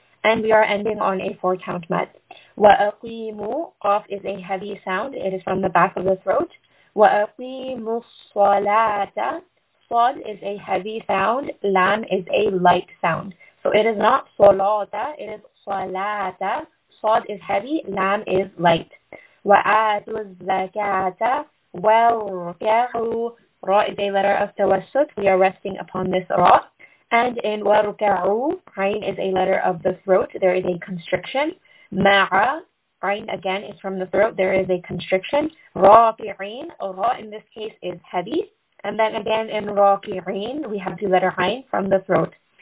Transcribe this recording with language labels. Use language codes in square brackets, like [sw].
[en] And we are ending on a four-count mat. وأقيموا, قاف is a heavy sound. It is from the back of the throat. [ar] وأقيموا الصلاة, [en] صاد is a heavy sound. لام is a light sound. So it is not صلاة, it is صلاة. صاد is heavy, لام is light. [ar] وآتوا الزكاة, واركعوا, [en] راء is a letter of توسط. We are resting upon this راء. And in واركعوا, عين is a letter of the throat. There is a constriction. مع, عين again is from the throat. There is a constriction. راكعين, راء in this case is heavy. And then again in راكعين, we have the letter عين from the throat.